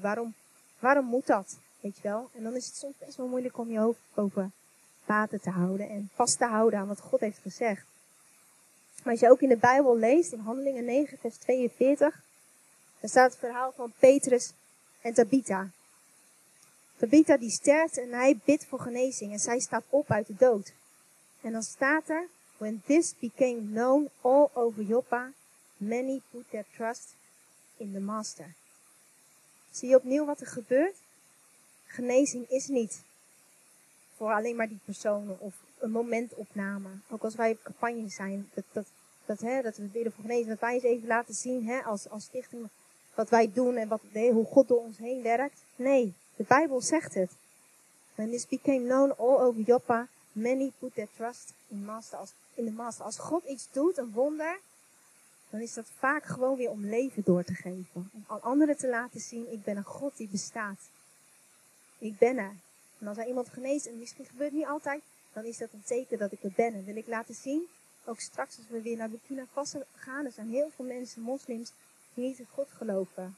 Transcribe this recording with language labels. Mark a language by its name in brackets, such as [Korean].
[Dutch] Waarom moet dat? Weet je wel? En dan is het soms best wel moeilijk om je hoofd boven water te houden en vast te houden aan wat God heeft gezegd. Maar als je ook in de Bijbel leest, in Handelingen 9, vers 42, daar staat het verhaal van Petrus en Tabitha. Tabitha die sterft en hij bidt voor genezing en zij staat op uit de dood. En dan staat er: [English] "When this became known all over Joppa, many put their trust in the master." [Dutch] Zie je opnieuw wat er gebeurt? Genezing is niet voor alleen maar die personen of een momentopname. Ook als wij op campagne zijn, dat we bidden voor genezing. Dat wij eens even laten zien, hè, als stichting, wat wij doen en hoe God door ons heen werkt. Nee, de Bijbel zegt het. [English] "When this became known all over Joppa, many put their trust in the master. [Dutch] Als God iets doet, een wonder, dan is dat vaak gewoon weer om leven door te geven. Om aan anderen te laten zien, ik ben een God die bestaat. Ik ben er. En als hij iemand geneest, en misschien gebeurt het niet altijd, dan is dat een teken dat ik er ben. En wil ik laten zien, ook straks als we weer naar Burkina Faso gaan, er zijn heel veel mensen, moslims, die niet in God geloven.